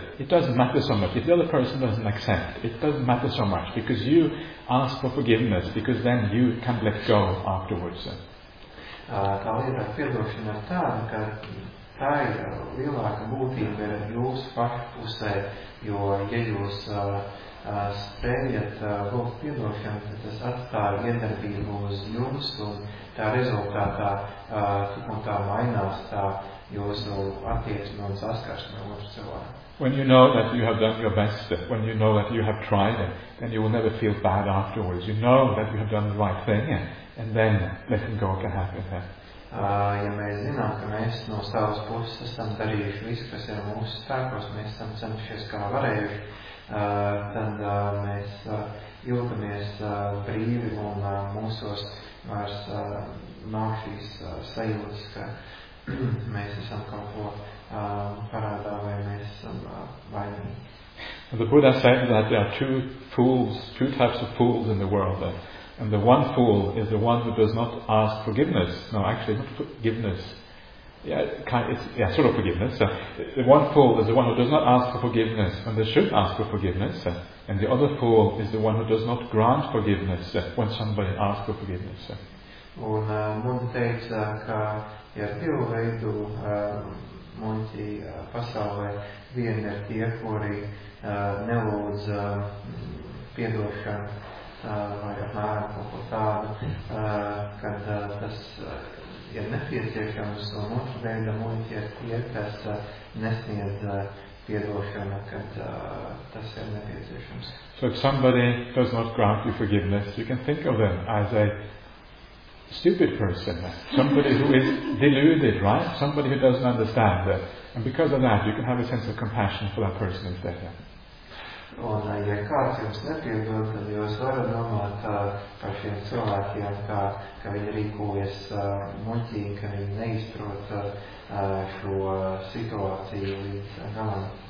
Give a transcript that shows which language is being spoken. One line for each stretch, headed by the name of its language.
English: It doesn't matter so much. If the other person doesn't accept, it doesn't matter so much because you ask for forgiveness, because then you can let go afterwards.
Latvian: Tā lieta ar piedošanu ir tāda, ka Tā ir lielāka būtība ir jūs pašu pusē, jo, ja jūs spējat lūgt piedošanu, tad tas atstāja iedarbību uz jums, un tā rezultātā tik un tā mainās tā jūsu attieksme un saskarsme ar otru cilvēku.
English: When you know that you have done your best, when you know that you have tried it, then you will never feel bad afterwards. You know that you have done the right thing, and then letting go can happen then.
Latvian: Ja mēs zinām, ka mēs no savas puses esam darījuši visu, kas ir mūsu spēkos, mēs esam centušies kā varējuši, tad mēs jūtamies brīvi un mūsos vairs nav šīs sajūtas, ka mēs esam kaut ko parādā vai mēs esam vainīgi.
English: The Buddha said that there are two fools, two types of fools in the world. And the one fool is the one who does not ask forgiveness. No, actually, not forgiveness. Sort of forgiveness. So the one fool is the one who does not ask for forgiveness, and they should ask for forgiveness. And the other fool is the one who does not grant forgiveness when somebody asks for forgiveness.
Latvian: Un mums teica, ka ir divu veidu muļķi pasaulē. Vieni ir tie, kuri nelūdz piedošanu. Vai apmēram kaut ko tādu, kad tas ir nepieciešams, un otru veidu muļķi ir tie, kas nesniedz piedošanu, kad tas ir nepieciešams.
English: So if somebody does not grant you forgiveness, you can think of them as a stupid person, somebody who is deluded, right? Somebody who doesn't understand that. And because of that, you can have a sense of compassion for that person instead.
Latvian: Un, ja kāds jums nepiedod, tad jūs varat domāt par šiem cilvēkiem, ka viņi rīkojas muļķīgi, ka viņi neizprot šo situāciju līdz galam.